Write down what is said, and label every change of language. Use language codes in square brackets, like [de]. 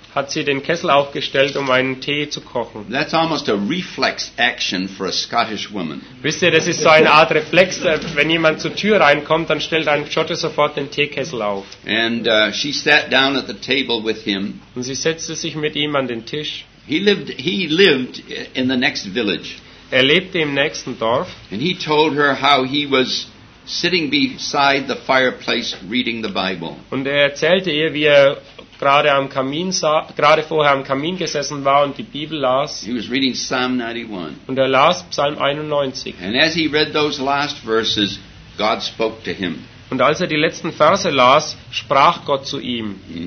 [de] hat sie den Kessel aufgestellt, um einen Tee zu kochen. [en] That's almost a reflex action for a Scottish woman. [de] Wisst ihr, das ist so eine Art Reflex, wenn jemand zur Tür reinkommt, dann stellt ein Schotte sofort den Teekessel auf. [en] And she sat down at the table with him. [de] Und sie setzte sich mit ihm an den Tisch. [en] He lived in the next village. [de] Er lebte im nächsten Dorf. [en] And he told her how he was sitting beside the fireplace reading the Bible. [de] Und er erzählte ihr, wie er gerade vorher am Kamin gesessen war und die Bibel las. [en] He was reading Psalm 91. [de] Und er las Psalm 91. [en] And as he read those last verses, God spoke to him. [de] Und als er die letzten Verse las, sprach Gott zu ihm.